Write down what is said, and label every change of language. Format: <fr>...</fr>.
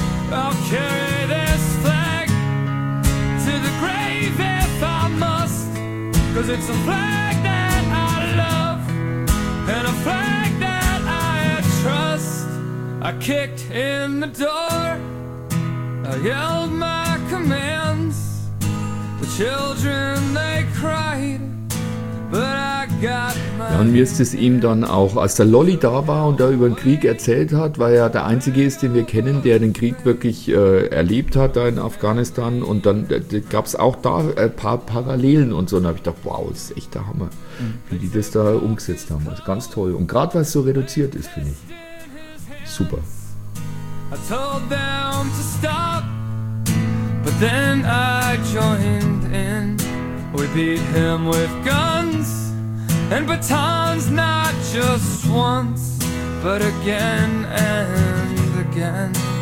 <en>I'll carry this flag to the grave if I must, 'cause it's a flag that I love and a flag that I trust. I kicked in the door, I yelled my commands. The children, they cried, but I got my...</en> <de>Ja, und mir ist es ihm dann auch, als der Lolli da war und da über den Krieg erzählt hat, weil er der Einzige ist, den wir kennen, der den Krieg wirklich erlebt hat da in Afghanistan. Und dann gab es auch da ein paar Parallelen und so. Und da habe ich gedacht, wow, das ist echt der Hammer, wie die das da umgesetzt haben. Das ist ganz toll. Und gerade, weil es so reduziert ist, finde ich. Super.</de> <en>I told them to stop, but then I joined in. We beat him with guns and batons, not just once, but again and again.</en>